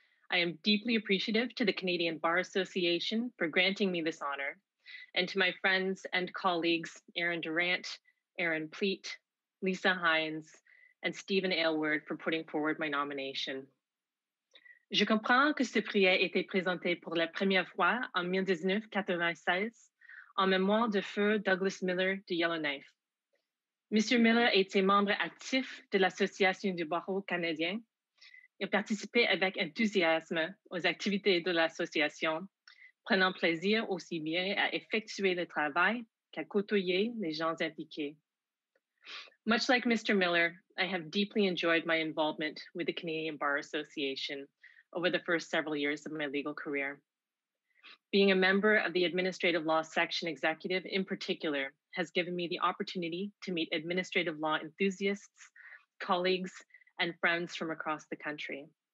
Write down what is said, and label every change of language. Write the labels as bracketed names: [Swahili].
[English] I am deeply appreciative to the Canadian Bar Association for granting me this honor, and to my friends and colleagues, Aaron Durant, Aaron Pleat, Lisa Hines, and Stephen Aylward for putting forward my nomination. [French] Je comprends que ce prix a été présenté pour la première fois en 1996 en mémoire de feu Douglas Miller de Yellowknife. Monsieur Miller était membre actif de l'Association du barreau canadien. Il participait avec enthousiasme aux activités de l'association, prenant plaisir aussi bien à effectuer le travail qu'à côtoyer les gens impliqués. [English] Much like Mr. Miller, I have deeply enjoyed my involvement with the Canadian Bar Association over the first several years of my legal career. Being a member of the Administrative Law Section Executive in particular has given me the opportunity to meet administrative law enthusiasts, colleagues, and friends from across the country.